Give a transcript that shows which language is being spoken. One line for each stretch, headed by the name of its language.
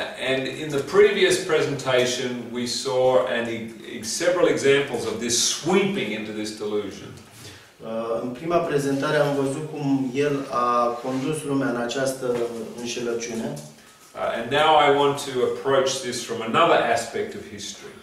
English: And in the previous presentation we saw several examples of this sweeping into this delusion.
Romanian: În prima prezentare am văzut cum el a condus lumea în această înșelăciune.
English: And now I want to approach this from another aspect of history.